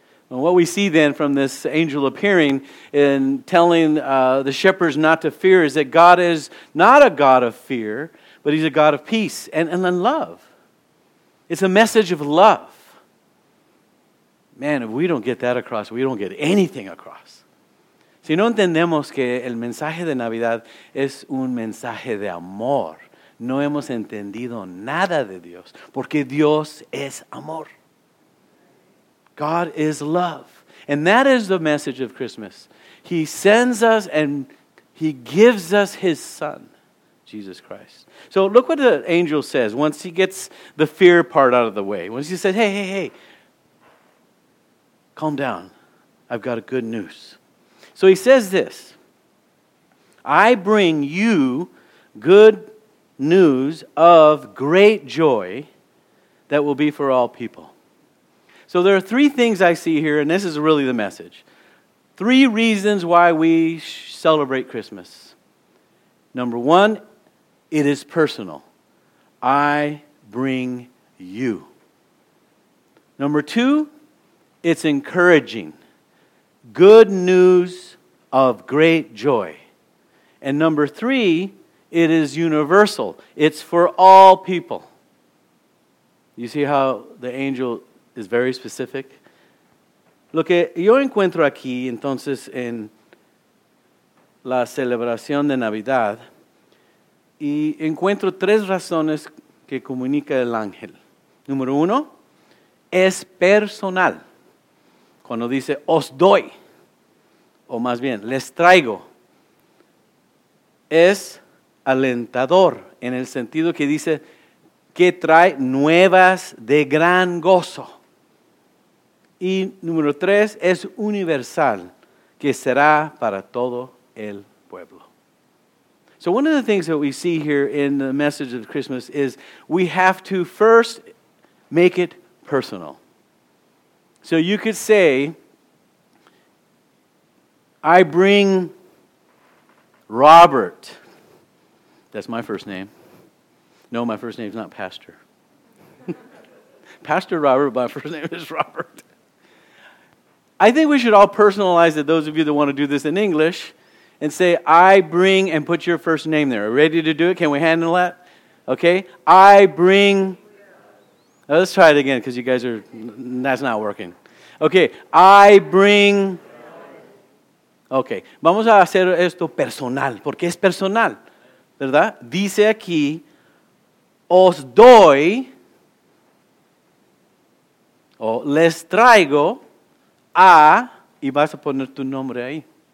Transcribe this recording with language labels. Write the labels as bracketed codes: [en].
[en] And what we see then from this angel appearing and telling the shepherds not to fear is that God is not a God of fear, but he's a God of peace and love. It's a message of love. Man, if we don't get that across, we don't get anything across. [es] Si no entendemos que el mensaje de Navidad es un mensaje de amor, no hemos entendido nada de Dios, porque Dios es amor. [en] God is love. And that is the message of Christmas. He sends us and he gives us his son, Jesus Christ. So look what the angel says once he gets the fear part out of the way. Once he said, hey, calm down. I've got a good news. So he says this, I bring you good news of great joy that will be for all people. So there are three things I see here, and this is really the message. Three reasons why we celebrate Christmas. Number one, it is personal. I bring you. Number two, it's encouraging. Good news of great joy. And number three, it is universal. It's for all people. You see how the angel is very specific. [es] Lo que yo encuentro aquí, entonces, en la celebración de Navidad, y encuentro tres razones que comunica el ángel. Número uno, es personal. Cuando dice, os doy, o más bien, les traigo. Es alentador, en el sentido que dice, que trae nuevas de gran gozo. Y número tres, es universal, que será para todo el pueblo. [en] So one of the things that we see here in the message of Christmas is we have to first make it personal. So you could say, I bring Robert. That's my first name. No, my first name is not Pastor. Pastor Robert, my first name is Robert. I think we should all personalize it, those of you that want to do this in English. and say, I bring, and put your first name there. Are you ready to do it? Can we handle that? Okay. I bring. Now let's try it again because you guys are, that's not working. Okay. I bring. Okay. [es] Vamos a hacer esto personal, porque es personal. ¿Verdad? Dice aquí, os doy, o les traigo a, y vas a poner tu nombre ahí.